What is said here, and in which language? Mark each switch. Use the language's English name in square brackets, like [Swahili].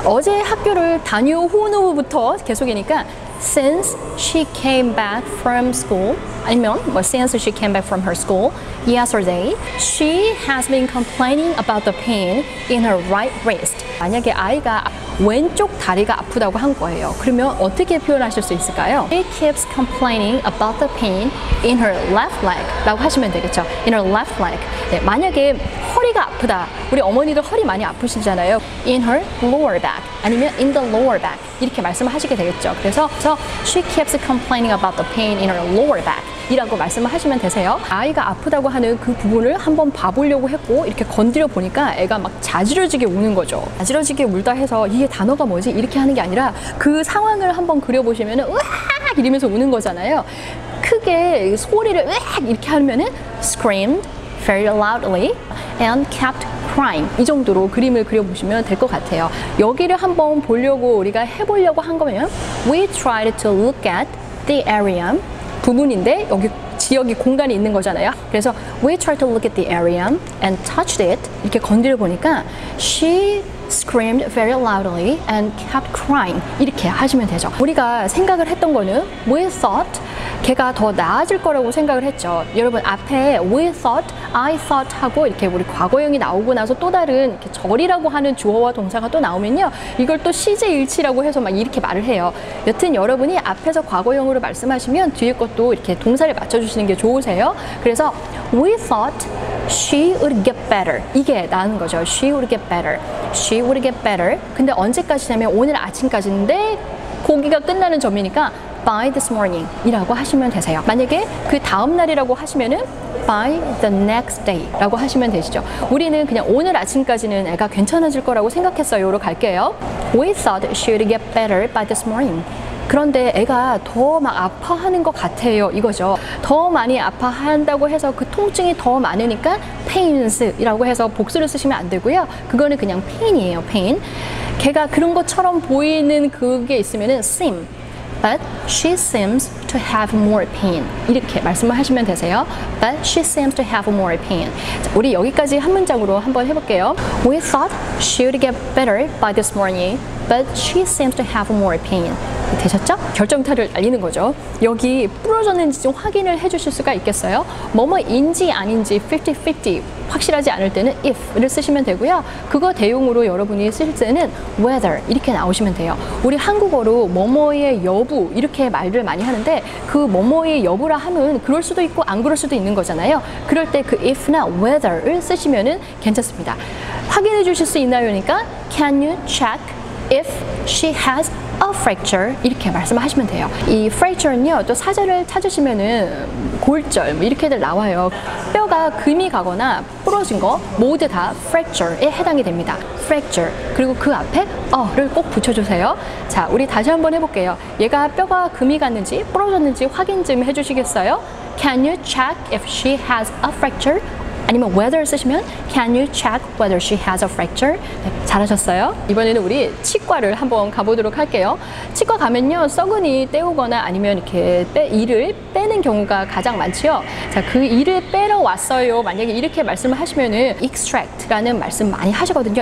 [Korean] 어제 학교를 다녀온 후부터 계속이니까 [English] since she came back from school, [Korean] 아니면 뭐 [English] since she came back from her school yesterday, she has been complaining about the pain in her right wrist. [Korean] 만약에 아이가 왼쪽 다리가 아프다고 한 거예요. 그러면 어떻게 표현하실 수 있을까요? [English] She keeps complaining about the pain in her left leg [Korean] 라고 하시면 되겠죠. [English] In her left leg. [Korean] 네, 만약에 허리가 아프다. 우리 어머니들 허리 많이 아프시잖아요. [English] In her lower back. [Korean] 아니면 [English] in the lower back. [Korean] 이렇게 말씀을 하시게 되겠죠. 그래서 [English] She keeps complaining about the pain in her lower back. [Korean] 이라고 말씀을 하시면 되세요. 아이가 아프다고 하는 그 부분을 한번 봐보려고 했고 이렇게 건드려 보니까 애가 막 자지러지게 우는 거죠. 자지러지게 울다 해서 이게 단어가 뭐지? 이렇게 하는 게 아니라 그 상황을 한번 그려보시면 으악! 이러면서 우는 거잖아요. 크게 소리를 으악! 이렇게 하면 [English] screamed very loudly and kept crying. [Korean] 이 정도로 그림을 그려보시면 될 것 같아요. 여기를 한번 보려고 우리가 해보려고 한 거면 [English] We tried to look at the area. [Korean] 부분인데 여기 지역이 공간이 있는 거잖아요. [English] 그래서 We tried to look at the area and touched it. [Korean] 이렇게 건드려 보니까 [English] She screamed very loudly and kept crying. [Korean] 이렇게 하시면 되죠. 우리가 생각을 했던 거는 [English] We thought [Korean] 걔가 더 나아질 거라고 생각을 했죠. 여러분 앞에 [English] We thought, I thought [Korean] 하고 이렇게 우리 과거형이 나오고 나서 또 다른 이렇게 절이라고 하는 주어와 동사가 또 나오면요, 이걸 또 시제일치라고 해서 막 이렇게 말을 해요. 여튼 여러분이 앞에서 과거형으로 말씀하시면 뒤에 것도 이렇게 동사를 맞춰주시는 게 좋으세요. 그래서 [English] We thought she would get better. [Korean] 이게 나은 거죠. [English] She would get better. She would get better. [Korean] 근데 언제까지냐면 오늘 아침까지인데 고기가 끝나는 점이니까 [English] by this morning [Korean] 이라고 하시면 되세요. 만약에 그 다음 날이라고 하시면은 [English] by the next day [Korean] 라고 하시면 되시죠. 우리는 그냥 오늘 아침까지는 애가 괜찮아질 거라고 생각했어요로 갈게요. [English] We thought she would get better by this morning. [Korean] 그런데 애가 더 막 아파하는 것 같아요, 이거죠. 더 많이 아파한다고 해서 그 통증이 더 많으니까 pains 이라고 해서 복수를 쓰시면 안 되고요. 그거는 그냥 pain이에요, pain. 걔가 그런 것처럼 보이는 그게 있으면은 seem. [English] But she seems to have more pain. [Korean] 이렇게 말씀을 하시면 되세요. [English] But she seems to have more pain. [Korean] 자, 우리 여기까지 한 문장으로 한번 해볼게요. [English] We thought she would get better by this morning, but she seems to have more pain. [Korean] 되셨죠? 결정타를 날리는 거죠. 여기 부러졌는지 좀 확인을 해주실 수가 있겠어요? 뭐뭐인지 아닌지 50-50 확실하지 않을 때는 if를 쓰시면 되고요. 그거 대용으로 여러분이 쓸 때는 whether 이렇게 나오시면 돼요. 우리 한국어로 뭐뭐의 여부 이렇게 말을 많이 하는데 그 뭐뭐의 여부라 하면 그럴 수도 있고 안 그럴 수도 있는 거잖아요. 그럴 때 그 if나 whether을 쓰시면은 괜찮습니다. 확인해 주실 수 있나요? 그러니까 [English] can you check if she has a fracture [Korean] 이렇게 말씀하시면 돼요. 이 fracture는요, 또 사전을 찾으시면은 골절 뭐 이렇게들 나와요. 뼈가 금이 가거나 부러진 거 모두 다 fracture에 해당이 됩니다. fracture. 그리고 그 앞에 어를 꼭 붙여주세요. 자, 우리 다시 한번 해볼게요. 얘가 뼈가 금이 갔는지 부러졌는지 확인 좀 해주시겠어요? [English] Can you check if she has a fracture? [Korean] 아니면 [English] whether [Korean] 쓰시면 [English] Can you check whether she has a fracture? [Korean] 네, 잘하셨어요. 이번에는 우리 치과를 한번 가보도록 할게요. 치과 가면요, 썩은이 떼우거나 아니면 이렇게 이를 빼는 경우가 가장 많지요. 자, 그 이를 빼러 왔어요. 만약에 이렇게 말씀을 하시면은 extract라는 말씀 많이 하시거든요.